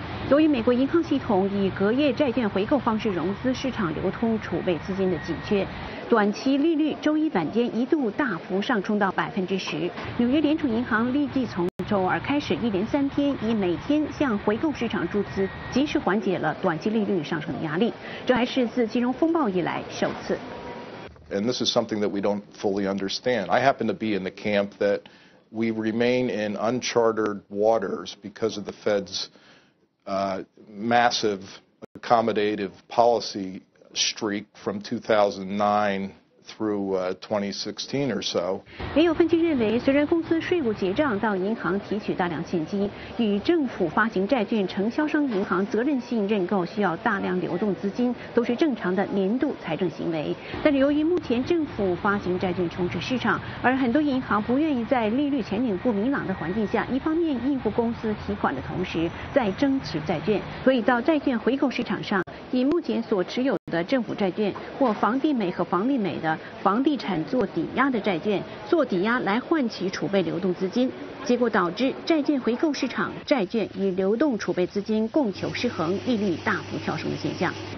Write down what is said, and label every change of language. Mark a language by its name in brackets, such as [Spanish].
[Chinese] 由于美国银行系统以隔夜债券回购方式融资，市场流通储备资金的紧缺，短期利率周一晚间一度大幅上冲到10%。纽约联储银行立即从周二开始一连三天以每天向回购市场注资，及时缓解了短期利率上升的压力，这还是自金融风暴以来首次。 [English] And this is something that we don't fully understand. I happen to be in the camp that we remain in uncharted waters because of the Fed's massive accommodative policy streak from 2009 through 2016 or so. [Chinese] 也有分析认为，虽然公司税务结账到银行提取大量现金，与政府发行债券承销商银行责任性认购需要大量流动资金，都是正常的年度财政行为。但是由于目前政府发行债券充斥市场，而很多银行不愿意在利率前景不明朗的环境下，一方面应付公司提款的同时再增持债券，所以到债券回购市场上，以目前所持有的政府债券或房地美和房利美的房地产做抵押的债券做抵押来换取储备流动资金，结果导致债券回购市场债券与流动储备资金供求失衡，利率大幅跳升的现象。